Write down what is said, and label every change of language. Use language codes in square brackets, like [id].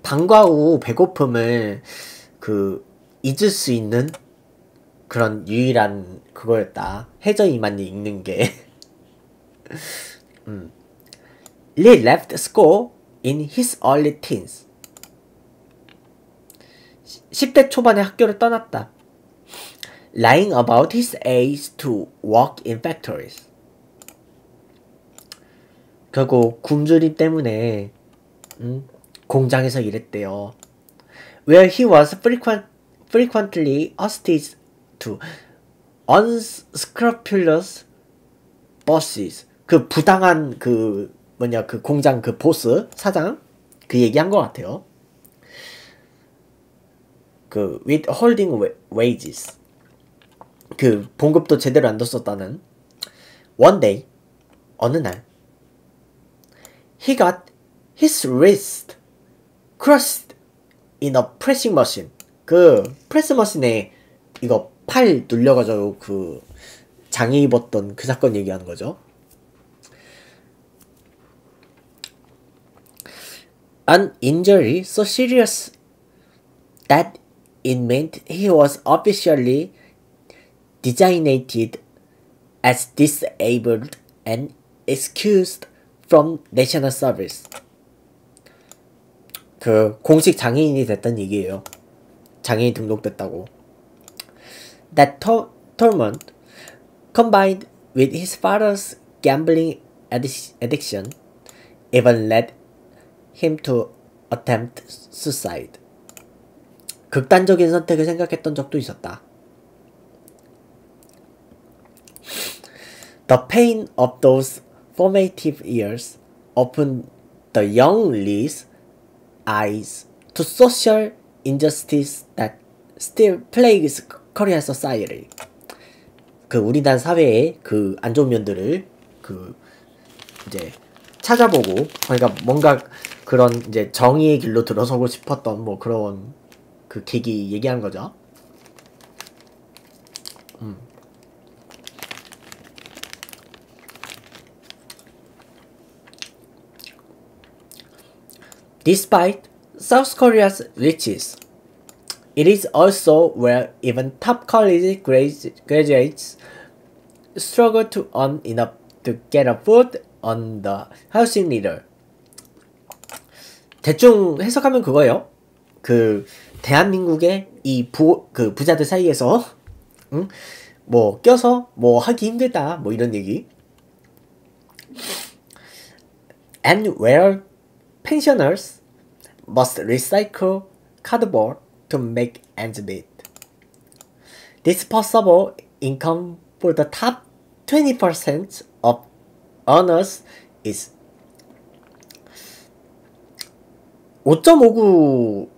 [ko] 방과 후 배고픔을 잊을 수 있는 그런 유일한 그거였다. 해저이만이 읽는 게. [en] Lee left school in his early teens. [ko] 10대 초반에 학교를 떠났다. [en] Lying about his age to work in factories. [ko] 결국 굶주림 때문에 공장에서 일했대요. [en] Where he was frequently hostage to unscrupulous bosses. [ko] 그 부당한 그 뭐냐, 그 공장 그 보스 사장 그 얘기한 것 같아요. [en] Withholding wages. [ko] 그 봉급도 제대로 안 줬었다는. [en] One day, [ko] 어느 날, [en] he got his wrist crushed in a pressing machine. [ko] 그 프레스 머신에 이거 팔 눌려가지고 그 장애 입었던 그 사건 얘기하는 거죠. [en] An injury so serious that it meant he was officially designated as disabled and excused from national service. [ko] 그 공식 장애인이 됐단 얘기예요. 장애인 등록됐다고. [en] That torment, combined with his father's gambling addiction, even led him to attempt suicide. [ko] 극단적인 선택을 생각했던 적도 있었다. [en] The pain of those formative years opened the young Lee's eyes to social injustice that still plagues Korean society. [ko] 그 우리나라 사회의 그안 좋은 면들을 이제 찾아보고, 그러니까 뭔가 그런 이제 정의의 길로 들어서고 싶었던 뭐 그런 그 계기 얘기한 거죠. [en] Despite South Korea's riches, it is also where even top college graduates struggle to earn enough to get a foot on the housing ladder. [ko] 대충 해석하면 그거예요. 대한민국의 부자들 사이에서, 뭐, 껴서, 뭐, 하기 힘들다, 뭐, 이런 얘기. [en] And where pensioners must recycle cardboard to make ends meet. Disposable income for the top 20% of earners is 5.59.